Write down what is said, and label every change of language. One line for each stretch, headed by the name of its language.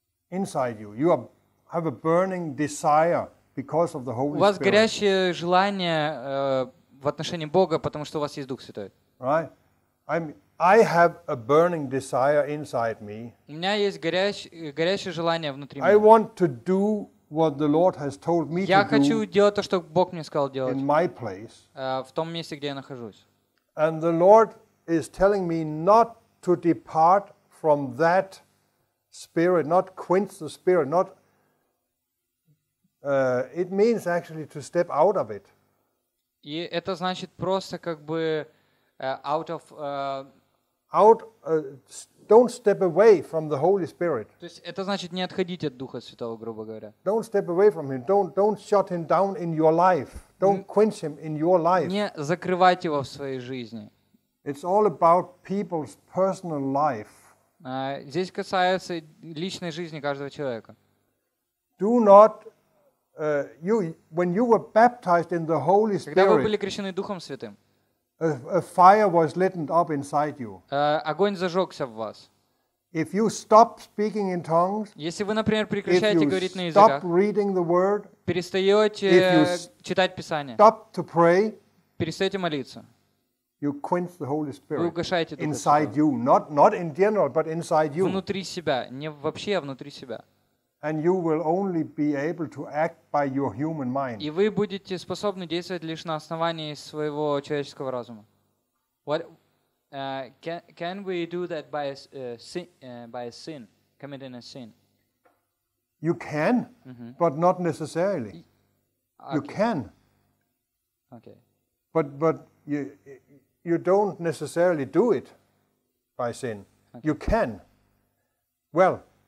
English: Inside you, you are. Have a burning desire because of the Holy Spirit.
Russian: У вас горящее желание в отношении Бога, потому что у вас есть Дух Святой.
English: Right? I have a burning desire inside me.
Russian: У меня есть горящее желание внутри меня.
English: I want to do what the Lord has told me to do.
Russian: Я хочу делать то, что Бог мне сказал делать.
English: In my place.
Russian: В том месте, где я нахожусь.
English: And the Lord is telling me not to depart from that spirit, not quench the spirit, not it means actually to step out of it.
Russian: И это значит просто как бы
English: out of out Don't step away from the Holy Spirit.
Russian: То есть это значит не отходить от Духа Святого, грубо говоря.
English: Don't step away from him. Don't shut him down in your life. Don't quench him in your life.
Russian: Не закрывать его в своей жизни.
English: It's all about people's personal life.
Russian: Здесь касается личной жизни каждого человека.
English: Do not you when you were baptized in the Holy Spirit.
Russian: Когда вы были крещены Духом Святым.
English: A fire was lit up inside you.
Russian: Огонь зажегся в вас.
English: If you stop speaking in tongues,
Russian: если вы, например, прекращаете говорить на языках,
English: stop reading the word,
Russian: перестаете читать Писание,
English: stop to pray,
Russian: перестаете молиться,
English: you quench the Holy Spirit,
Russian: вы угашаете Духа
English: inside you, not in general, but inside you.
Russian: Внутри себя, не вообще, а внутри себя.
English: And you will only be able to act by your human mind.
Russian: И вы будете способны действовать лишь на основании своего человеческого разума.
English: What can we do that by sin, committing a sin? You can, mm-hmm. but not necessarily. Okay. You can. Okay. But you don't necessarily do it by sin. Okay. You can. Well.